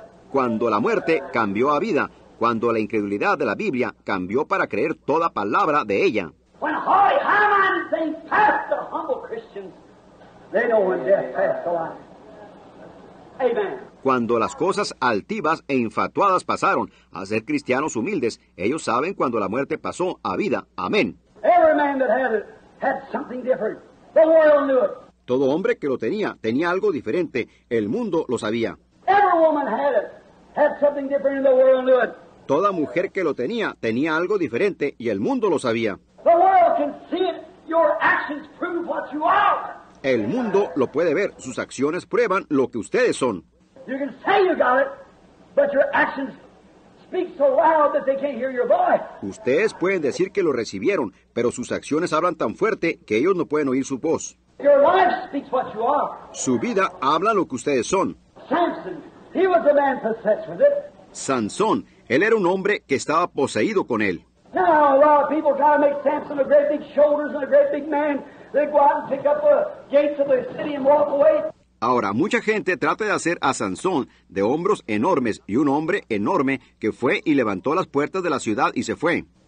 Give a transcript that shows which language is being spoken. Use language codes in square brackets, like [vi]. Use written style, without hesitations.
[es] Cuando la muerte cambió a vida, cuando la incredulidad de la Biblia cambió para creer toda palabra de ella. [en] When high-minded things pass the humble Christians, they know when death passed the line. Amen. [es] Cuando las cosas altivas e infatuadas pasaron a ser cristianos humildes, ellos saben cuando la muerte pasó a vida. Amén. [en] Every man that had it had something different. The world knew it. [es] Todo hombre que lo tenía, tenía algo diferente. El mundo lo sabía. [en] Every woman had it had something different and the world knew it. [es] Toda mujer que lo tenía, tenía algo diferente y el mundo lo sabía. [en] The world can see it. Your actions prove what you are. [es] El mundo lo puede ver. Sus acciones prueban lo que ustedes son. [en] You can say you got it, but your actions speak so loud that they can't hear your voice. [es] Ustedes pueden decir que lo recibieron, pero sus acciones hablan tan fuerte que ellos no pueden oír su voz. [en] Your life speaks what you are. [es] Su vida habla lo que ustedes son. [en] Samson, he was a man possessed with it. [es] Sansón, él era un hombre que estaba poseído con él. [en] Now a lot of people try to make Samson a great big shoulders and a great big man. They go out and pick up the gates of the city and walk away. [es] Ahora, mucha gente trata de hacer a Sansón de hombros enormes y un hombre enorme que fue y levantó las puertas de la ciudad y se fue.